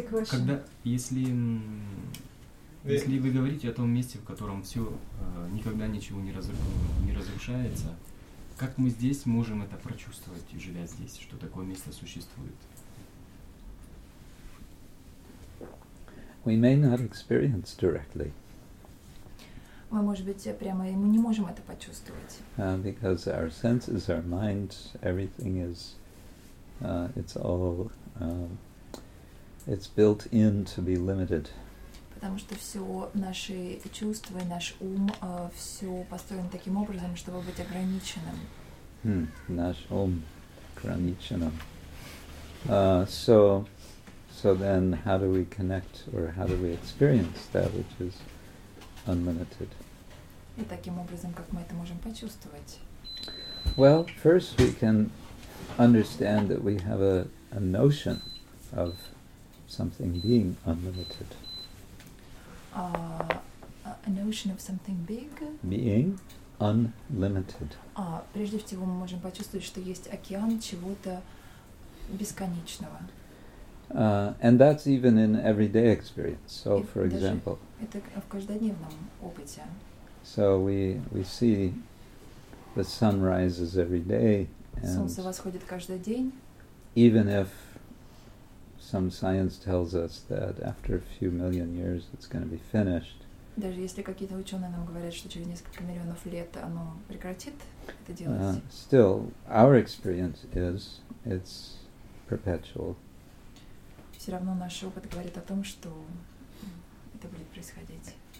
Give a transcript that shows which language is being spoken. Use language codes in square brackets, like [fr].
[ru] Когда, если, если вы говорите о том месте, в котором все никогда ничего не разрушается, как мы здесь можем это прочувствовать, живя здесь, что такое место существует? [en] We may not experience directly. [ru] Мы, может быть, прямо и мы не можем это почувствовать. [en] Because our senses, our mind, everything is. It's all it's built in to be limited. [ru] Потому что все наши чувства, наш ум, все построено таким образом, чтобы быть ограниченным. Наш ум ограниченным. [en] So then how do we connect or how do we experience that which is unlimited? [ru] И таким образом, как мы это можем почувствовать? [en] Well, first we can understand that we have a notion of something being unlimited. A notion of something big? Being unlimited. [ru] Прежде всего мы можем почувствовать, что есть океан чего-то бесконечного. [en] And that's even in everyday experience. So, for example. [ru] Это в каждодневном опыте. [en] So we see the sun rises every day. [ru] Солнце восходит каждый день. [en] Even if some science tells us that after a few million years it's going to be finished. [ru] Даже если какие-то ученые нам говорят, что через несколько миллионов лет оно прекратит это делать. [en] Still, our experience is it's perpetual. [ru] Все равно наш опыт говорит о том, что это будет происходить.